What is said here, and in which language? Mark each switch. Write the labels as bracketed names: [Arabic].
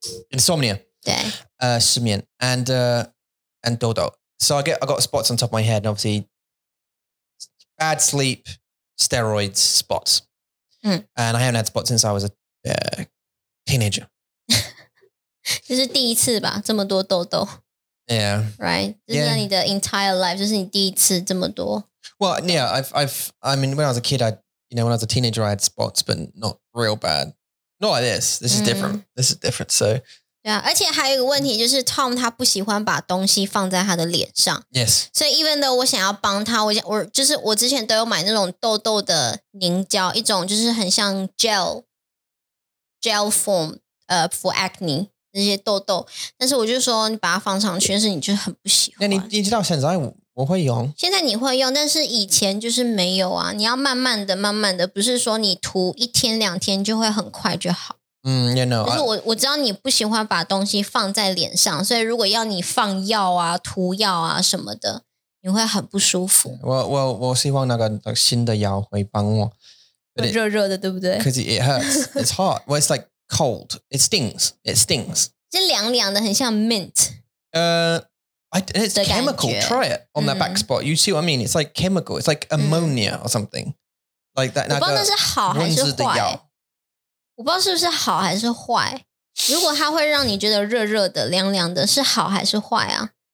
[English] insomnia [Chinese] 对失眠 [English] and 痘痘 so I got spots on top of my head and obviously bad sleep steroids spots、嗯、 and I haven't had spots since I was a teenager [Chinese] 这是第一次吧这么多痘痘 [English] yeah right [Chinese] 这是、 [English] yeah. [Chinese] 你的 [English] entire life [Chinese] 就是你第一次这么多 [English] well yeah I mean when I was a kid You know, when I was a teenager, I had spots, but not real bad. Not like this. This is different.、Mm. This is different, so... Yeah, [Chinese] 而且还有一个问题就是 Tom 他不喜欢把东西放在他的脸上。 [English] Yes. So even though [Chinese] 我想要帮他我就是我之前都有买那种痘痘的凝胶一种就是很像 [English] gel form for acne, [Chinese] 那些痘痘。但是我就说你把它放上去但是你就很不喜欢。那你知道现在我会用现在你会用但是以前就是没有啊你要慢慢的不是说你涂一天两天就会很快就好 [English] 嗯 you know [Chinese] 就是我知道你不喜欢把东西放在脸上所以如果要你放药啊涂药啊什么的你会很不舒服我希望那个新的药会帮我热热的对不对 [English] Because it hurts, it's hot, well it's like cold, it stings [Chinese] 是凉凉的很像 mint [English] It's chemical, try it on that back spot. You see what I mean? It's like chemical, it's like ammonia or something. Like that. [Chinese] 我不知道那是好还是坏。我不知道是不是好还是坏。如果它会让你觉得热热的、凉凉的，是好还是坏啊？